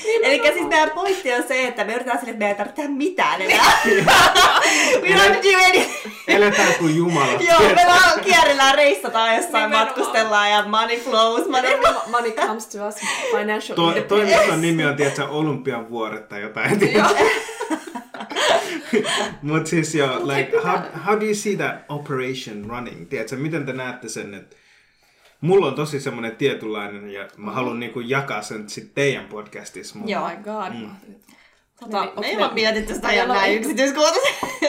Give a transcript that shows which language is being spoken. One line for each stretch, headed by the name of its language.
Finnish: Eli siis meidän pointti on se, että me yritetään sille, että me ei tarvitse tehdä mitään enää.
English: We don't do anything.
Finnish: Eletään kuin Jumala. Joo, me vaan kierrellään, reissataan jossain, matkustellaan ja
English: money flows. Money comes to us, financial independence.
Finnish: Toimiston nimi on, tiedätkö, Olympian vuoret tai jotain. Mut siis joo,
English: like, how do you see that operation running?
Finnish: Tiedätkö, miten te näette sen, että mulla on tosi semmoinen tietynlainen, ja mä haluan niinku jakaa sen sitten teidän podcastissa. Mutta...
English: Yeah, my God.
Finnish: Me ei vaan mietitty sitä ihan näin yksityiskohtaisesti.